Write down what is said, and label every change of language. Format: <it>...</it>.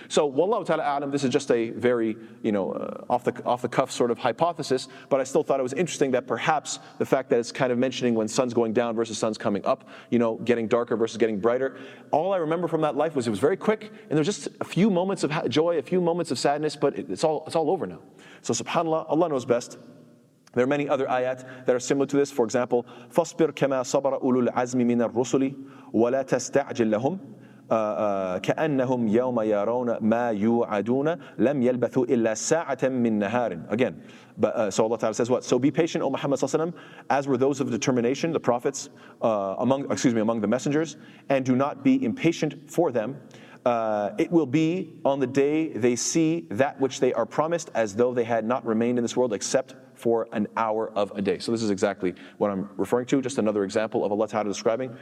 <en>So, wallahu ta'ala a'lam, this is just a very, you know, off the cuff sort of hypothesis, but I still thought it was interesting that perhaps the fact that it's kind of mentioning when sun's going down versus sun's coming up, you know, getting darker versus getting brighter. All I remember from that life was it was very quick, and there's just a few moments of joy, a few moments of sadness, but it's all over now. So, subhanAllah, Allah knows best. There are many other ayat that are similar to this. For example,</en> <ar>فَاصْبِرْ كَمَا صَبَرَ أُولُو الْعَزْمِ مِنَ الرُّسُلِ وَلَا تَسْتَعْجِلْ لَهُمْ كأنهم يوم يرون ما يوعدون لم يلبثوا إلا ساعة من نهار.</ar> <en>Again, but, so Allah Ta'ala says what? So be patient, O Muhammad Sallallahu Alaihi Wasallam, as were those of determination, the prophets, among the messengers, and do not be impatient for them. It will be on the day they see that which they are promised as though they had not remained in this world except for an hour of a day. So this is exactly what I'm referring to, just another example of Allah Ta'ala describing.</en>